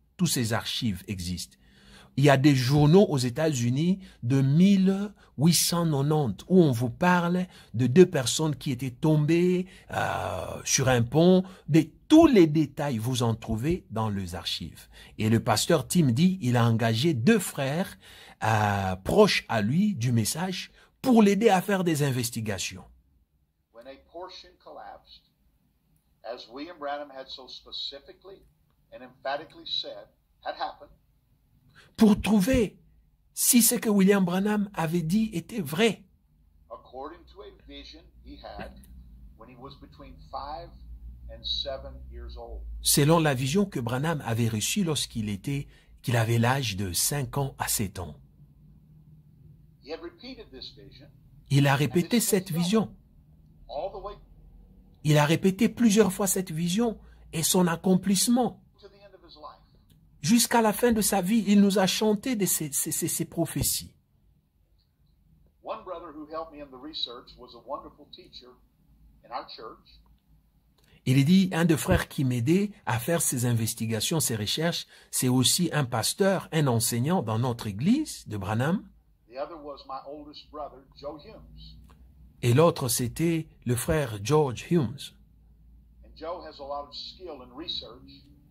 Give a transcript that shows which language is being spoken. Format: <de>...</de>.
<fr>Tous ces archives existent. Il y a des journaux aux États-Unis de 1890 où on vous parle de deux personnes qui étaient tombées sur un pont. Tous les détails, vous en trouvez dans les archives. Et le pasteur Tim dit, il a engagé deux frères proches à lui du message pour l'aider à faire des investigations.</fr> <en>When a portion collapsed, as William Branham had so specifically and emphatically said, had happened.</en> <fr>Pour trouver si ce que William Branham avait dit était vrai.</fr> <en>According to a vision he had when he was between 5 and 7 years old.</en> <fr>Selon la vision que Branham avait reçue qu'il avait l'âge de 5 ans à 7 ans.</fr> <en>He had repeated this vision.</en> <fr>Il a répété cette vision.</fr> <en>All the way.</en> <fr>Il a répété plusieurs fois cette vision et son accomplissement. Jusqu'à la fin de sa vie, il nous a chanté de ses prophéties.</fr> <en>One brother who helped me in the research was a wonderful teacher in our church.</en> <fr>Il dit, un des frères qui m'aidait à faire ses investigations, ses recherches, c'est aussi un pasteur, un enseignant dans notre église de Branham.</fr> <en>The other was my oldest brother, Joe Humes.</en> <fr>Et l'autre, c'était le frère George Humes.</fr> <en>And Joe has a lot of skill in research.</en>